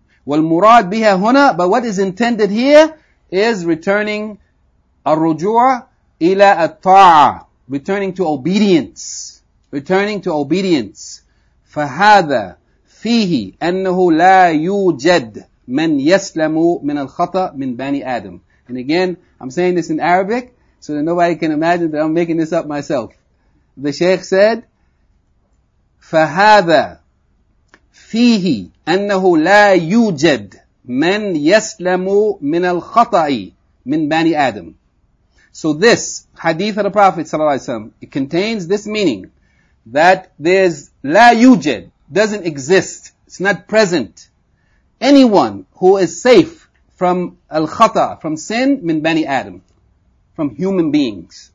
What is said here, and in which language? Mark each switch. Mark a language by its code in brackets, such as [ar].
[ar] وَالْمُرَادْ بِهَا هُنَا, [en] but what is intended here is returning [ar] الرُّجُوعَ إِلَى الطَّاعَ, [en] returning to obedience. Returning to obedience. [ar] فَهَذَا فِيهِ أَنَّهُ لَا يُوجَدْ مَنْ يَسْلَمُ مِنَ الْخَطَى مِنْ بَنِي آدَمْ. [en] And again, I'm saying this in Arabic so that nobody can imagine that I'm making this up myself. The Shaykh said, [ar] فَهَذَا فِيهِ أَنَّهُ لَا يُوجَدْ مَنْ يَسْلَمُ مِنَ الْخَطَأِ مِنْ بَنِي آدَمْ. [en] So this hadith of the Prophet ﷺ, it contains this meaning that there's la yujad, doesn't exist, it's not present. Anyone who is safe from al-khata, from sin, min bani Adam, from human beings.